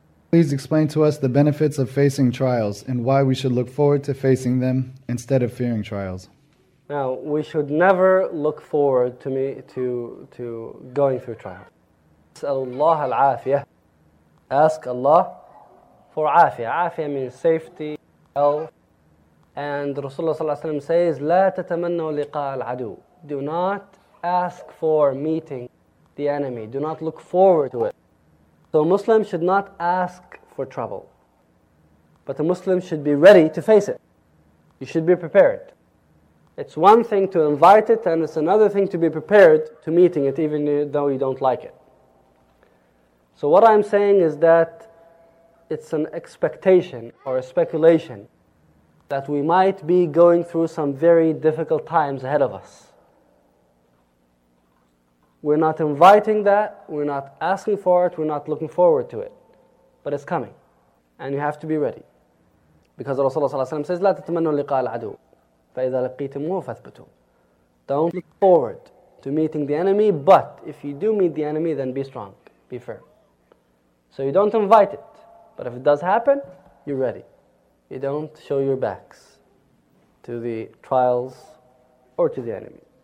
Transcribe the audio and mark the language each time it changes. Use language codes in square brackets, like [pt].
[en] Please explain to us the benefits of facing trials and why we should look forward to facing them instead of fearing trials. Now, we should never look forward to going through trials. [ar] أسأل الله العافية. [en] Ask Allah for عافية. عافية means safety, health. And Rasulullah صلى الله عليه وسلم says, [ar] لا تتمنوا لقاء العدو. [en] Do not ask for meeting the enemy. Do not look forward to it. So a Muslim should not ask for trouble. But a Muslim should be ready to face it. You should be prepared. It's one thing to invite it, and it's another thing to be prepared to meeting it, even though you don't like it. So what I'm saying is that it's an expectation or a speculation that we might be going through some very difficult times ahead of us. We're not inviting that, we're not asking for it, we're not looking forward to it. But it's coming, and you have to be ready. Because Rasulullah says, [ar] لَا تَتَمَنُوا لِقَاءَ الْعَدُوُ فَإِذَا لَقِيتُمُوهُ فَاثْبُتُوا. [en] Don't look forward to meeting the enemy, but if you do meet the enemy, then be strong, be firm. So you don't invite it, but if it does happen, you're ready. You don't show your backs to the trials or to the enemy.